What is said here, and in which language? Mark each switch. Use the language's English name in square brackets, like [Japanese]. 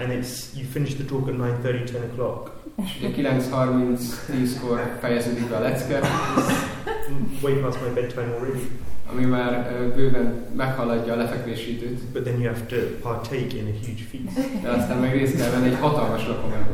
[English] And it's you finish the talk at 9:30, 10 o'clock. [Hungarian] Ugye 9:30-10-kor fejeződik be a lecke. [English] Way past my bedtime already. [Hungarian] Ami már bőven meghaladja a lefekvési időt. [English] But then you have to partake in a huge feast. [Hungarian] De aztán meg részt kell venni egy hatalmas lakomában.